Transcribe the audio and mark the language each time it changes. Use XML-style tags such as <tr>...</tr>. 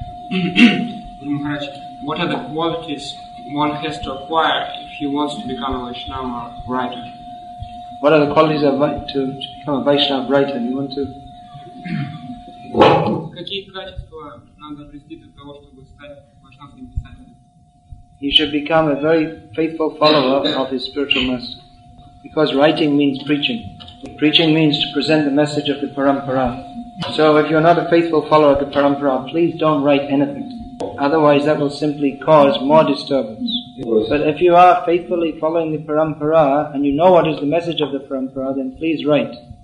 <en>Maharaj, what are the qualities one has to acquire if he wants to become a Vaishnava writer? What are the qualities of to become a Vaishnava writer? You want to?</en> <ru>Какие качества надо обрести для того, чтобы стать Вайшнавским писателем?</ru> <en>He should become a very faithful follower of his spiritual master, because writing means preaching. Preaching means to present the message of the parampara. So if you're not a faithful follower of the parampara, please don't write anything. Otherwise, that will simply cause more disturbance. But if you are faithfully following the parampara and you know what is the message of the parampara, then please write.</en>